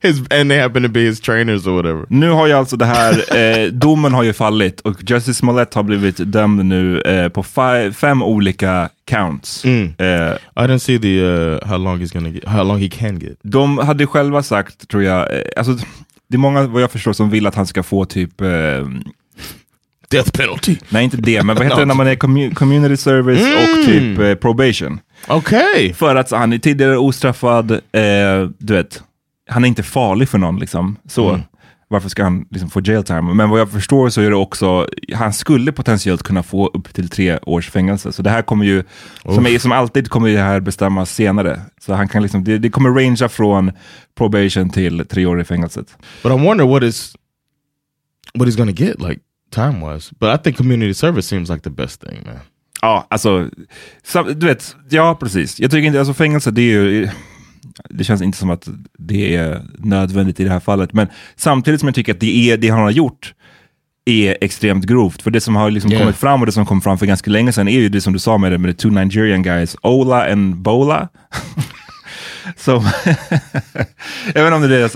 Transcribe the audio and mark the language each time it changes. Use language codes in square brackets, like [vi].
[en] And they happen to be his trainers or whatever. [sv] Nu har ju alltså det här... domen har ju fallit. Och Justice Smollett har blivit dömd nu på fem olika counts. Mm. [en] I don't see how long he can get. [sv] De hade själva sagt, tror jag... alltså, det är många, vad jag förstår, som vill att han ska få typ... [en] death penalty. [sv] Nej, inte det. Men vad heter det när man är community service och typ probation? Okej! [en] Okay. [sv] För att han är tidigare ostraffad, du vet... Han är inte farlig för någon liksom. Så varför ska han liksom få jail time? Men vad jag förstår så är det också, han skulle potentiellt kunna få upp till 3 års fängelse. Så det här kommer ju som alltid kommer det här bestämmas senare. Så han kan liksom, det kommer rangea från probation till 3 år i fängelset. [en] But I wonder what he's gonna get like time wise. But I think community service seems like the best thing, man. [sv] Ja, alltså du vet, ja precis. Jag tycker inte, alltså fängelse, det är ju, det känns inte som att det är nödvändigt i det här fallet. Men samtidigt som jag tycker att det han har gjort är extremt grovt. För det som har liksom kommit fram och det som kom fram för ganska länge sedan är ju det som du sa med det. Med [en] the two Nigerian guys, [sv] Ola and Bola. Så, jag vet inte om det är deras...